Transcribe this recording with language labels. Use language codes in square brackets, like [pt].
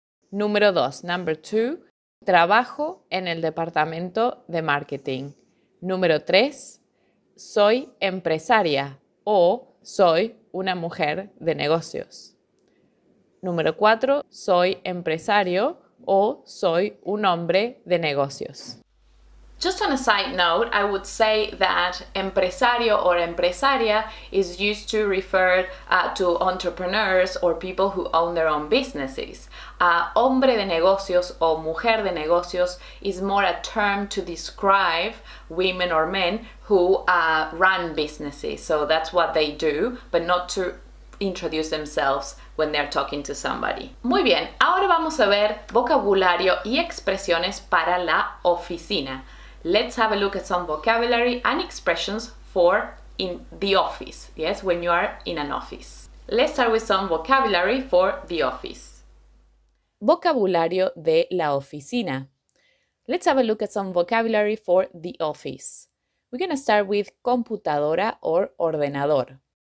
[es] Número dos, [en] number two, [es] trabajo en el departamento de marketing. Número tres, soy empresaria o soy una mujer de negocios. Número cuatro, soy empresario o soy un hombre de negocios. [en] Just on a side note, I would say that empresario or empresaria is used to refer to entrepreneurs or people who own their own businesses. [es] Hombre de negocios o mujer de negocios [en] is more a term to describe women or men who run businesses. So that's what they do, but not to introduce themselves when they're talking to somebody. [es] Muy bien, ahora vamos a ver vocabulario y expresiones para la oficina. [en] Let's have a look at some vocabulary and expressions for in the office. Yes, when you are in an office. Let's start with some vocabulary for the office. [es] Vocabulario de la oficina. [en] Let's have a look at some vocabulary for the office. We're going to start with computadora or ordenador.